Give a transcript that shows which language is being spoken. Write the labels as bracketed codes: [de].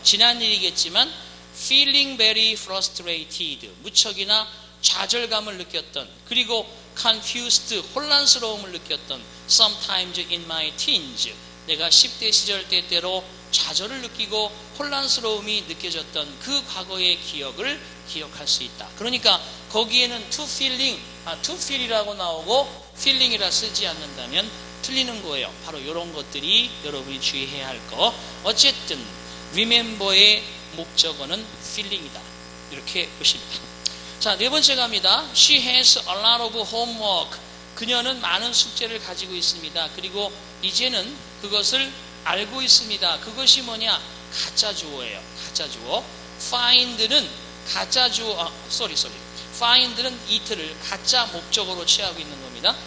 [ko] 지난 일이겠지만 [en] feeling very frustrated, [ko] 무척이나 좌절감을 느꼈던, 그리고 [en] confused, [ko] 혼란스러움을 느꼈던, [en] sometimes in my teens, [ko] 내가 10대 시절 때때로 좌절을 느끼고 혼란스러움이 느껴졌던 그 과거의 기억을 기억할 수 있다. 그러니까 거기에는 to feeling, 아, to feel이라고 나오고 feeling이라 쓰지 않는다면 틀리는 거예요. 바로 이런 것들이 여러분이 주의해야 할 거. 어쨌든 remember의 목적어는 feeling이다. 이렇게 보십니다. 자, 네 번째 갑니다. [en] She has a lot of homework. [ko] 그녀는 많은 숙제를 가지고 있습니다. 그리고 이제는 그것을 알고 있습니다. 그것이 뭐냐? 가짜 주어예요. 가짜 주어. find는 가짜 주어, 아, [en] sorry. [ko] find는 it를 가짜 목적어로 취하고 있는 겁니다.